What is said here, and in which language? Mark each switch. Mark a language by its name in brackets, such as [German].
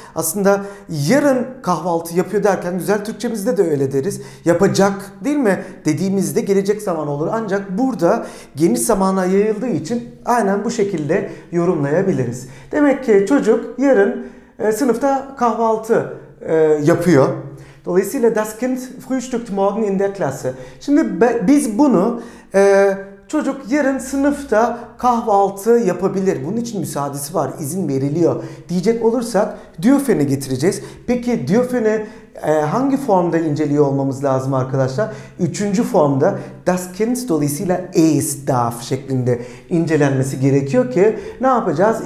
[Turkish] Aslında yarın kahvaltı yapıyor derken güzel Türkçemizde de öyle deriz. Yapacak değil mi dediğimizde gelecek zaman olur. Ancak burada geniş zamana yayıldığı için aynen bu şekilde yorumlayabiliriz. Demek ki çocuk yarın sınıfta kahvaltı yapıyor. Dolayısıyla [German] das Kind frühstückt morgen in der Klasse. [Turkish] Şimdi biz bunu çocuk yarın sınıfta kahvaltı yapabilir. Bunun için müsaadesi var, izin veriliyor diyecek olursak Diofen'i getireceğiz. Peki Diofen'i hangi formda inceliyor olmamız lazım arkadaşlar? Üçüncü formda das Kind dolayısıyla es darf şeklinde incelenmesi gerekiyor ki ne yapacağız?